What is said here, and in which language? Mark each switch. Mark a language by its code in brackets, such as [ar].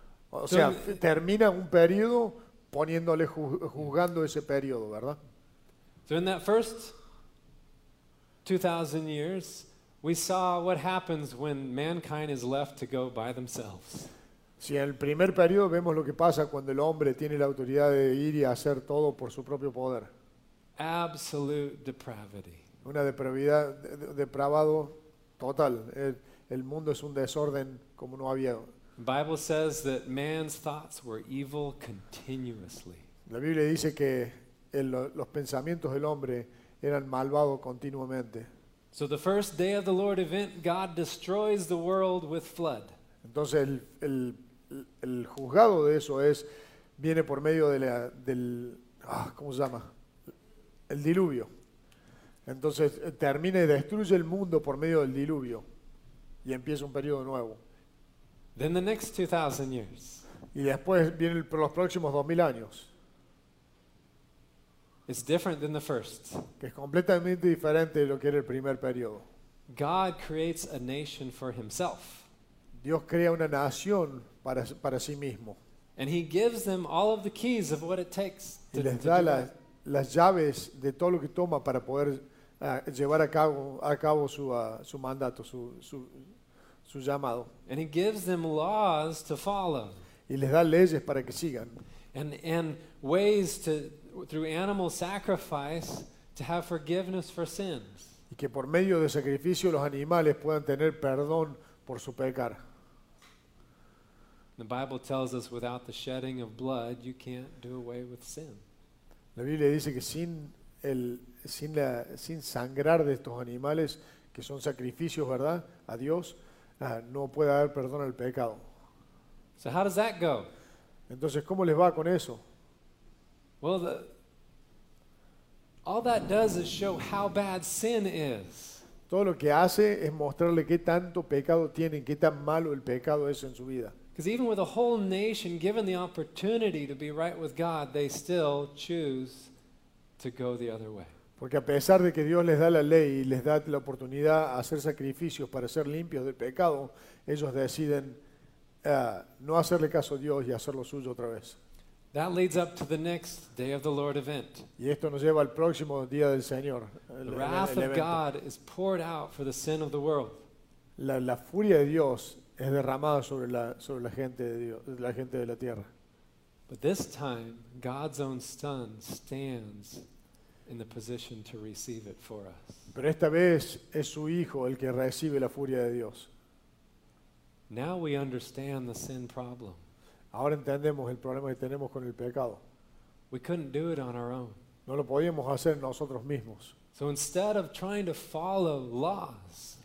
[es] O sea, termina un periodo poniéndole juzgando ese periodo, ¿verdad? [en] So in that first 2,000 years, we saw what happens when mankind is left to go by themselves. [es] Si en el primer periodo vemos lo que pasa cuando el hombre tiene la autoridad de ir y hacer todo por su propio poder. [en] Absolute depravity. [es] Una depravidad, depravado total. El mundo es un desorden como no había. [en] The Bible says that man's thoughts were evil continuously. [es] La Biblia dice que los pensamientos del hombre eran malvado continuamente. [en] So the first Day of the Lord event, God destroys the world with flood. [es] Entonces el juzgado de eso es viene por medio de ¿cómo se llama? El diluvio. Entonces termina y destruye el mundo por medio del diluvio y empieza un periodo nuevo. [en] Then the next 2,000 years. [es] Y después vienen los próximos 2,000 años. [en] It's different than the first. [es] Que es completamente diferente de lo que era el primer periodo. [en] God creates a nation for himself. [es] Dios crea una nación para sí mismo. [en] And he gives them all of the keys of what it takes to do it. [es] Y les da las llaves de todo lo que toma para poder llevar a cabo su mandato, su llamado. [en] And he gives them laws to follow. [es] Y les da leyes para que sigan. [en] And ways to through animal sacrifice to have forgiveness for sins. [es] Y que por medio de sacrificio los animales puedan tener perdón por su pecar. [en] The Bible tells us without the shedding of blood, you can't do away with sin. [es] La Biblia dice que sin sangrar de estos animales que son sacrificios, ¿verdad? A Dios, no puede haber perdón al pecado. [en] So how does that go? [es] Entonces, ¿cómo les va con eso? [en] Well, all that does is show how bad sin is. [es] Todo lo que hace es mostrarle qué tanto pecado tienen, qué tan malo el pecado es en su vida. [en] Because even with a whole nation given the opportunity to be right with God, they still choose to go the other way. [es] Porque a pesar de que Dios les da la ley y les da la oportunidad a hacer sacrificios para ser limpios del pecado, ellos deciden no hacerle caso a Dios y hacer lo suyo otra vez. [en] That leads up to the next day of the Lord event. [es] Y esto nos lleva al próximo día del Señor. [en] The wrath of God is poured out for the sin of the world. [es] La furia de Dios es derramada sobre la gente de Dios, la gente de la tierra. [en] But this time, God's own Son stands in the position to receive it for us. [es] Pero esta vez es su hijo el que recibe la furia de Dios. [en] Now we understand the sin problem. [es] Ahora entendemos el problema que tenemos con el pecado. [en] We couldn't do it on our own. [es] No lo podíamos hacer nosotros mismos. [en] So instead of trying to follow laws,